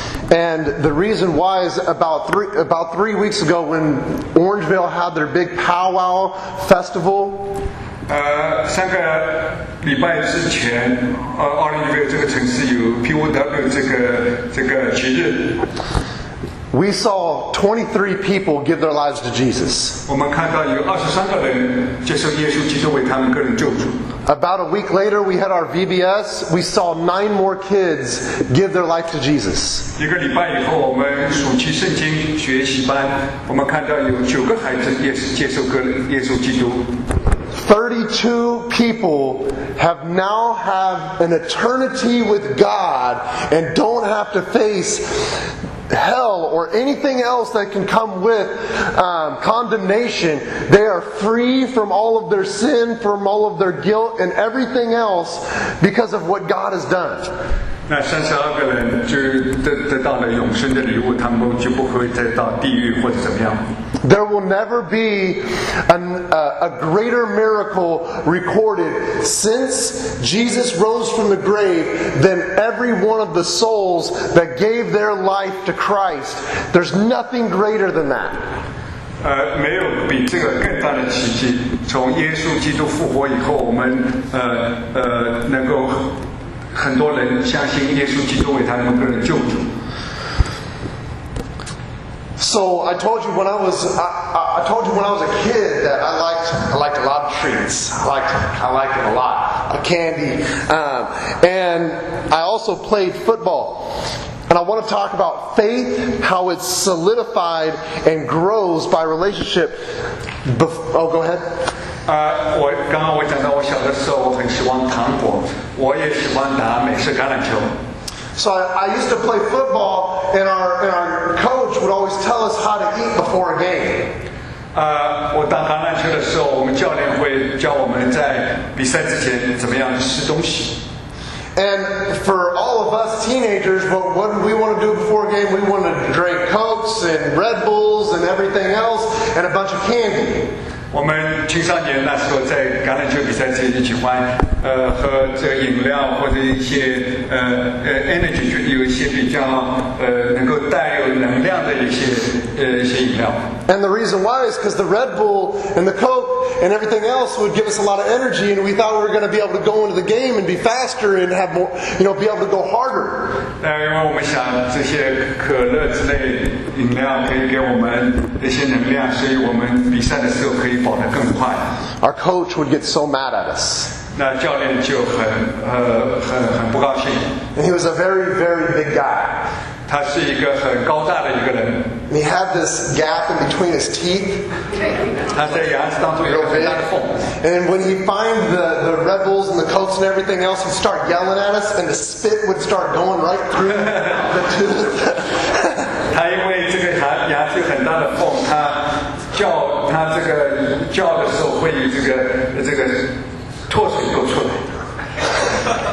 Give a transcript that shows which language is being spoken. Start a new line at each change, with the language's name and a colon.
English: And the reason why is about three weeks ago when Orangeville had their big powwow festival.
Chinese: 三个礼拜之前，Orangeville 这个城市有 POW 这个节日。
English: We saw 23 people give their lives to Jesus.
Chinese: 我们看到有23个人接受耶稣基督为他们个人救主。
English: About a week later, we had our VBS. We saw 9 more kids give their life to Jesus.
Chinese: 一个礼拜以后，我们暑期圣经学习班，我们看到有9个孩子接受耶稣基督。
English: 32 people have now have an eternity with God and don't have to face. Hell or anything else that can come with condemnation, they are free from all of their sin, from all of their guilt and everything else because of what God has done.
Chinese: 那三十二个人就得到了永生的礼物，他们就不会再到地狱或者怎么样。
English: There will never be a greater miracle recorded since Jesus rose from the grave than every one of the souls that gave their life to Christ. There's nothing greater than that.
Chinese: 没有比这个更大的奇迹。从耶稣基督复活以后，我们能够很多人相信耶稣基督为他们个人救主。
English: So I told you when I was I told you when I was a kid that I liked a lot of treats. I liked them a lot, candy. And I also played football. And I want to talk about faith, how it's solidified and grows by relationship. Oh, go ahead.
Chinese: 我刚刚我讲到我小的时候我很喜欢糖果，我也喜欢打美式橄榄球。
English: So I used to play football, and our coach would always tell us how to eat before a game.
Chinese: 我打橄榄球的时候，我们教练会教我们在比赛之前怎么样吃东西。
English: And for all of us teenagers, what we want to do before a game, we want to drink Cokes and Red Bulls and everything else, and a bunch of candy.
Chinese: 我们青少年那时候在橄榄球比赛之前就喜欢喝这个饮料或者一些
English: energy drink,
Chinese: 有一些比较能够带有能量的一些饮料。
English: And the reason why is because the Red Bull and the Coke and everything else would give us a lot of energy, and we thought we were going to be able to go into the game and be faster and have more, you know, be able to go harder.
Chinese: 因为我们想这些可乐之类饮料可以给我们一些能量，所以我们比赛的时候可以跑得更快。
English: Our coach would get so mad at us.
Chinese: 那教练就很不高兴。
English: And he was a very, very big guy.
Chinese: 他是一个很高大的一个人。
English: He had this gap in between his teeth.
Chinese: 他在牙齿当中有一个很大的缝。
English: And when he'd find the Red Bulls and the Cokes and everything else, he'd start yelling at us, and the spit would start going right through the tooth.
Chinese: 他因为这个牙齿有很大的缝，他这个叫的时候会有这个唾水流出来。